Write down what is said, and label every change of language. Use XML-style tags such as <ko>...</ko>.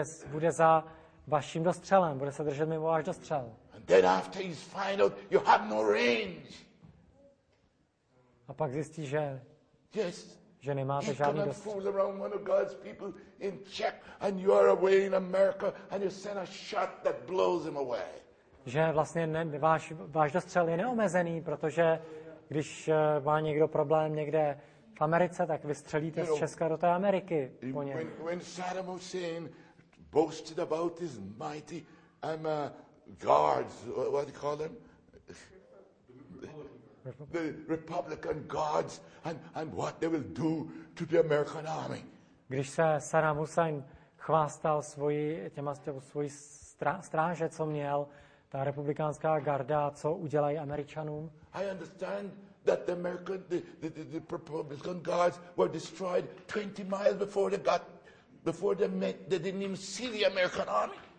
<cs>Bude za vaším dostřelem, bude se držet mimo váš dostřel.</cs> <en>And then after he's found out, you have no range.</en> <cs>A pak zjistí, že</cs> <en>yes,</en> <cs>že nemáte žádný dostřel.</cs> <en>He cannot fool around one of God's people in Czech, and you are away in America, and you send a shot that blows him away.</en> <cs>Že vlastně váš dostřel je neomezený, protože když má někdo problém někde v Americe, tak vystřelíte z Česka do té Ameriky po něm.</cs> <en>When Saddam Hussein boasted about his mighty guards, what do you call them? The Republican guards and what they will do to the American army.</en> <cs>Když se Saddam Hussein chvástal svojí stráže, co měl, ta republikánská garda, co udělají Američanům.</cs> <en>I understand that the American the Republican guards were destroyed 20 miles before they didn't even see the American army.</en>